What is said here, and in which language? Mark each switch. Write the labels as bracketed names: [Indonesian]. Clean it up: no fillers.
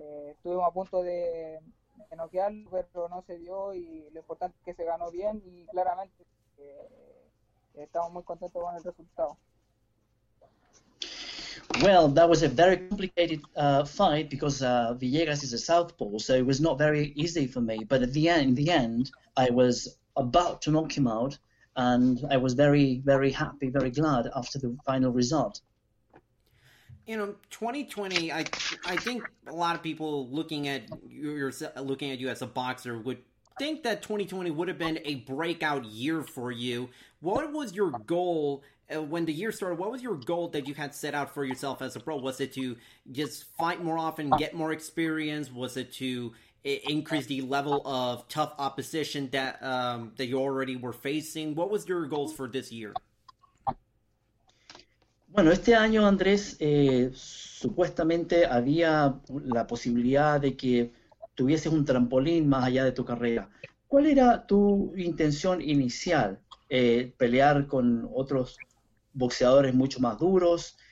[Spanish] Estuvimos a punto de noquearlo, pero no se dio, y lo importante es que se ganó bien y claramente... Estamos muy contentos con el resultado. [English] Well, that was a very complicated fight because Villegas is a southpaw, so it was not very easy for me. But at the end, I was about to knock him out, and I was very, very happy, very glad after the final result. You know, 2020, I think a lot of people looking at you as a boxer would think that 2020 would have been a breakout year for you. What was your goal when the year started? What was your goal that you had set out for yourself as a pro? Was it to just fight more often, get more experience? Was it to increase the level of tough opposition that that you already were facing? What was your goals for this year? [Spanish] Bueno, este año, Andrés, supuestamente había la posibilidad de que tuvieses un trampolín más allá de tu carrera. ¿Cuál era tu intención inicial? ¿Pelear con otros boxeadores mucho más duros?